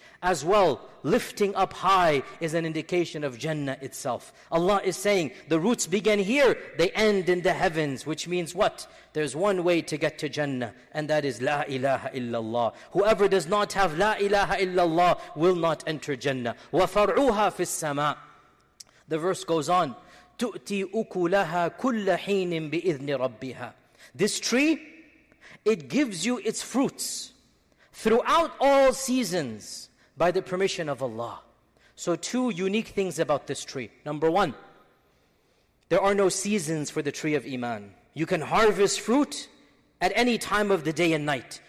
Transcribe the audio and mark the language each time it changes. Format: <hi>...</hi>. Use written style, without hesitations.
<en>As well, lifting up high is an indication of Jannah itself. Allah is saying, the roots begin here, they end in the heavens. Which means what? There's one way to get to Jannah, and that is La ilaha illallah. Whoever does not have La ilaha illallah will not enter Jannah.</en> <ar>وَفَرْعُهَا فِي السَّمَاءِ.</ar> <en>The verse goes on,</en> <ar>تُؤْتِي أُكُلَهَا كُلَّ حِينٍ بِإِذْنِ رَبِّهَا.</ar> <en>This tree, it gives you its fruits throughout all seasons by the permission of Allah. So two unique things about this tree. Number one, there are no seasons for the tree of iman. You can harvest fruit at any time of the day and night.</en>